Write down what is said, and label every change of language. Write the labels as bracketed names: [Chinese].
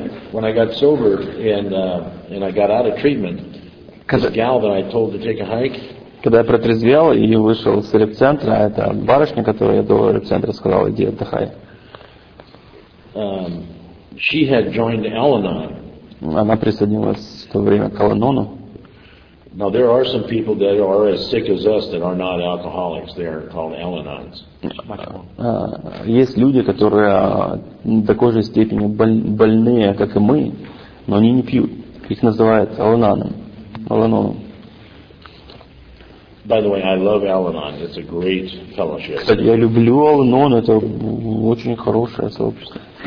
[English] When I got sober and I got out of treatment, the gal that I told to take a hike. [Russian] Когда я протрезвел и вышел из реп-центра, это барышня, которую я до реп-центра сказал, иди отдыхай. [English] She had joined Al-Anon. [Russian] Она присоединилась в то время к Al-Anon-у. [English] Now there are some people that are as sick as us that are not alcoholics. They are called Al-Anons. [Russian] Есть люди, которые такой же степени больные, как и мы, но они не пьют. Их называют Al-Anon-ом. [English] By the way, I love Al-Anon. It's a great fellowship. [Russian] Кстати, я люблю Al-Anon. Это очень хорошее сообщество.